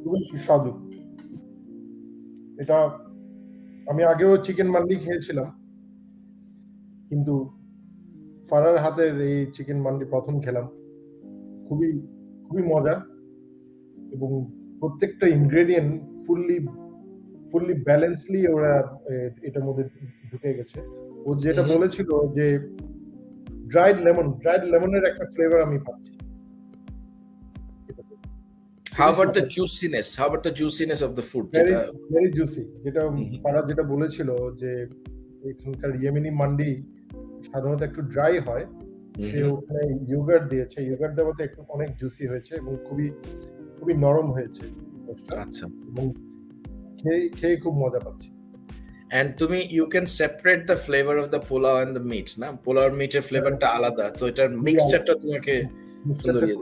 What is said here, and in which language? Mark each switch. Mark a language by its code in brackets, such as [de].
[bn] সুস্বাদু এটা, আমি আগেও চিকেন মান্ডি খেয়েছিলাম কিন্তু ফারার হাতের এই চিকেন মান্ডি প্রথম খেলাম, খুবই খুবই মজা এবং প্রত্যেকটা ইনগ্রেডিয়েন্ট ফুললি ফুললি ব্যালেন্সলি ওরা এটার মধ্যে ঢুকে গেছে। ও যেটা বলেছিল যে ড্রাইড লেমন, ড্রাইড লেমনের একটা ফ্লেভার আমি পাচ্ছি। [en] How about the juiciness? How about the juiciness of the food? Very juicy. [bn] যেটা ফারাজ যেটা বলেছিল যে এখানকার ইয়েমেনি মান্ডি সাধারণত একটু ড্রাই হয়, সে ওখানে ইয়োগার্ট দিয়েছে, ইয়োগার্ট দেওয়াতে একটু অনেক জুসি হয়েছে এবং খুবই খুবই নরম হয়েছে। আচ্ছা, খেয়ে খুব মজা পাচ্ছি। [en] And [bn] তুমি [en] you can separate the flavor of the pulao and the meat, [bn] না? Pulao আর মিটের ফ্লেভারটা আলাদা, তো এটার মিক্সচারটা তোমাকে সুন্দর